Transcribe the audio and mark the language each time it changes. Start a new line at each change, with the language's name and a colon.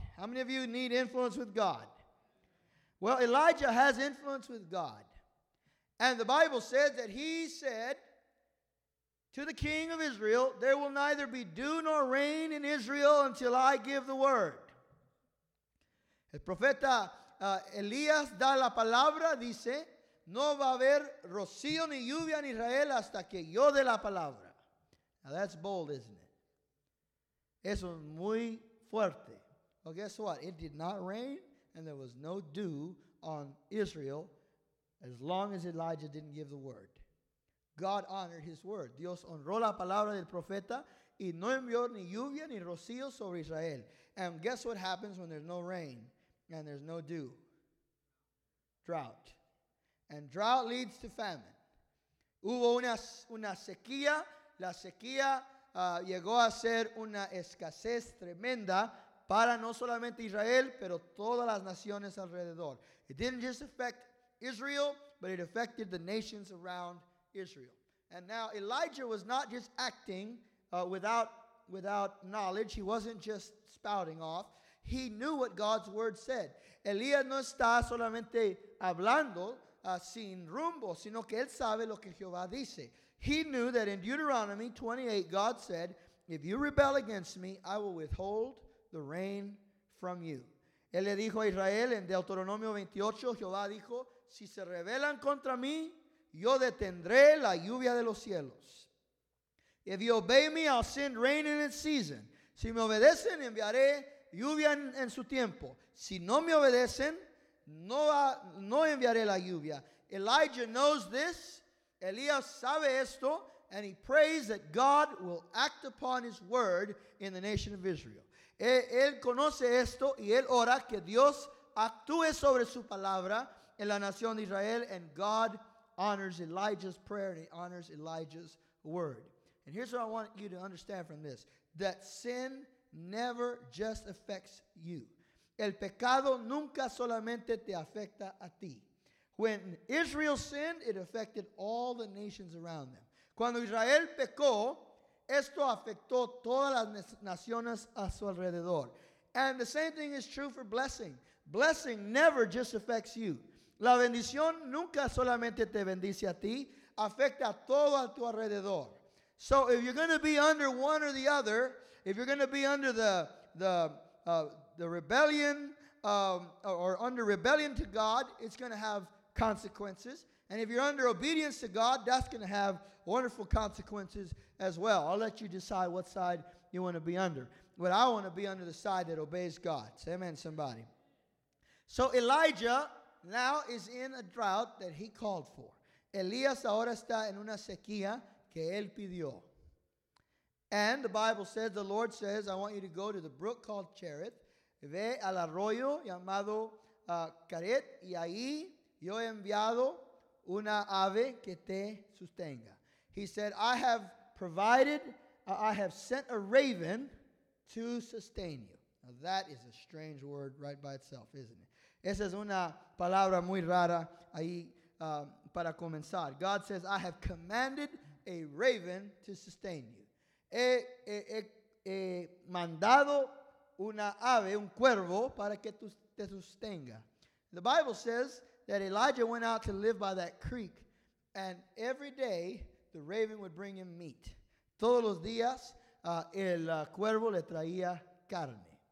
English: How many of you need influence with God? Well, Elijah has influence with God. And the Bible says that he said to the king of Israel, there will neither be dew nor rain in Israel until I give the word.
Spanish: El profeta Elías da la palabra, dice, no va a haber rocío ni lluvia en Israel hasta que yo dé la palabra.
English: Now that's bold, isn't it?
Spanish: Eso es muy fuerte.
English: Well, guess what? It did not rain and there was no dew on Israel as long as Elijah didn't give the word. God honored his word.
Spanish: Dios honró la palabra del profeta y no envió ni lluvia ni rocío sobre Israel.
English: And guess what happens when there's no rain and there's no dew? Drought. And drought leads to famine.
Spanish: Hubo una sequía. La sequía llegó a ser una escasez tremenda para no solamente Israel, pero todas las naciones alrededor.
English: It didn't just affect Israel, but it affected the nations around Israel. And now Elijah was not just acting without knowledge. He wasn't just spouting off. He knew what God's word said.
Spanish: Elías no está solamente hablando sin rumbo, sino que él sabe lo que Jehová dice.
English: He knew that in Deuteronomy 28, God said, if you rebel against me, I will withhold the rain from you.
Spanish: Él le dijo a Israel en Deuteronomio 28, Jehová dijo, si se rebelan contra mí, yo detendré la lluvia de los cielos.
English: If you obey me, I'll send rain in its season.
Spanish: Si me obedecen, enviaré lluvia en su tiempo. Si no me obedecen, no enviaré la lluvia.
English: Elijah knows this.
Spanish: Elías sabe esto.
English: And he prays that God will act upon his word in the nation of Israel.
Spanish: Él conoce esto y él ora que Dios actúe sobre su palabra en la nación de Israel.
English: And God honors Elijah's prayer and he honors Elijah's word. And here's what I want you to understand from this, that sin never just affects you.
Spanish: El pecado nunca solamente te afecta a ti.
English: When Israel sinned, it affected all the nations around them.
Spanish: Cuando Israel pecó, esto afectó todas las naciones a su alrededor.
English: And the same thing is true for blessing. Blessing never just affects you.
Spanish: La bendición nunca solamente te bendice a ti, afecta a todo a tu alrededor.
English: So if you're going to be under one or the other, if you're going to be under the rebellion or under rebellion to God, it's going to have consequences. And if you're under obedience to God, that's going to have wonderful consequences as well. I'll let you decide what side you want to be under. But I want to be under the side that obeys God. Say amen, somebody. So Elijah now is in a drought that he called for.
Spanish: Elías ahora está en una sequía que él pidió.
English: And the Bible says, the Lord says, I want you to go to the brook called Cherith.
Spanish: Ve al arroyo llamado Caret, y ahí yo he enviado una ave que te sustenga.
English: He said, I have provided, I have sent a raven to sustain you. Now that is a strange word right by itself, isn't it?
Spanish: Esa es una palabra muy rara ahí para comenzar.
English: God says, I have commanded a raven to sustain you.
Spanish: He mandado una ave, un cuervo, para que te sostenga.
English: The Bible says that Elijah went out to live by that creek, and every day the raven would bring him meat.
Spanish: Todos los días el cuervo le traía carne.